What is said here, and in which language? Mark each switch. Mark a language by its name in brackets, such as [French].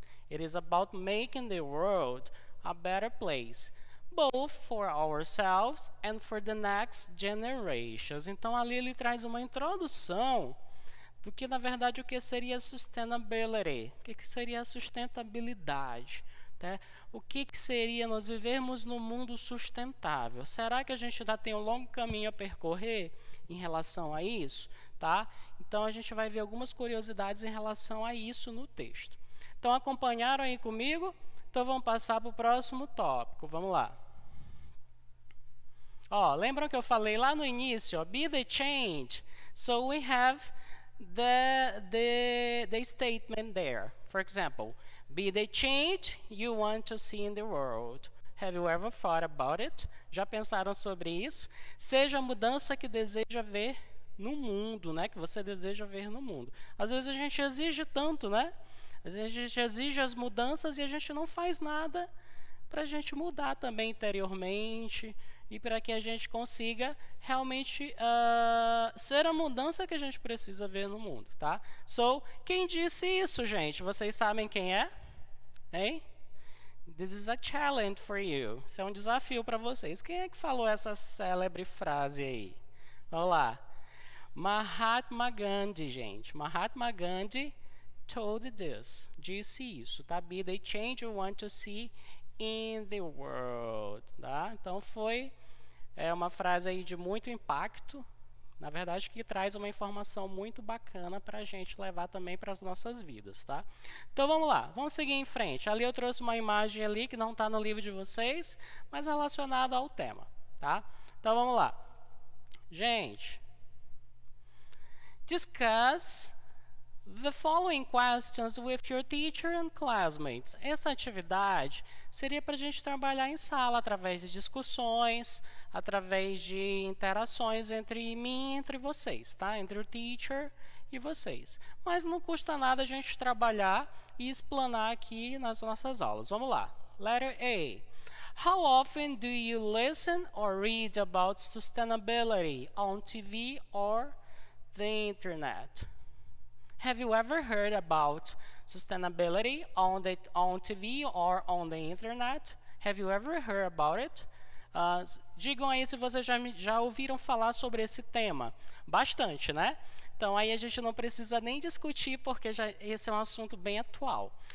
[English] It is about making the world a better place, both for ourselves and for the next generations. [Portuguese] Então, ali ele traz uma introdução do que, na verdade, o que seria sustainability. O que seria sustentabilidade? Né? O que seria nós vivermos num mundo sustentável? Será que a gente ainda tem um longo caminho a percorrer em relação a isso? Tá? Então, a gente vai ver algumas curiosidades em relação a isso no texto. Então, acompanharam aí comigo? Então, vamos passar para o próximo tópico. Vamos lá. [English] Oh, [Portuguese] lembram que eu falei lá no início, [English] be the change, so we have the statement there. For example, be the change you want to see in the world. Have you ever thought about it? [Portuguese] Já pensaram sobre isso? Seja a mudança que deseja ver no mundo, né? Que você deseja ver no mundo. Às vezes a gente exige tanto, né? Às vezes a gente exige as mudanças e a gente não faz nada para a gente mudar também interiormente, e para que a gente consiga realmente ser a mudança que a gente precisa ver no mundo, tá? So, quem disse isso, gente? Vocês sabem quem é? Hein? [English] This is a challenge for you. [Portuguese] Isso é um desafio para vocês. Quem é que falou essa célebre frase aí? Vamos lá. Mahatma Gandhi, gente. [English] Mahatma Gandhi told this. [Portuguese] Disse isso, tá? [English] Be the change you want to see in the world, tá? [Portuguese] Então foi uma frase aí de muito impacto, na verdade, que traz uma informação muito bacana para a gente levar também para as nossas vidas, tá? Então vamos lá, vamos seguir em frente. Ali eu trouxe uma imagem ali que não está no livro de vocês, mas relacionado ao tema, tá? Então vamos lá, gente. [English] Discuss the following questions with your teacher and classmates. [Portuguese] Essa atividade seria para a gente trabalhar em sala, através de discussões, através de interações entre mim e entre vocês, tá? Entre o teacher e vocês. Mas não custa nada a gente trabalhar e explanar aqui nas nossas aulas. Vamos lá. Letter A. [English] How often do you listen or read about sustainability on TV or the internet? Have you ever heard about sustainability on TV or on the internet? Have you ever heard about it? [Portuguese] Digam aí se vocês já ouviram falar sobre esse tema. Bastante, né? Então, aí a gente não precisa nem discutir, porque esse é um assunto bem atual.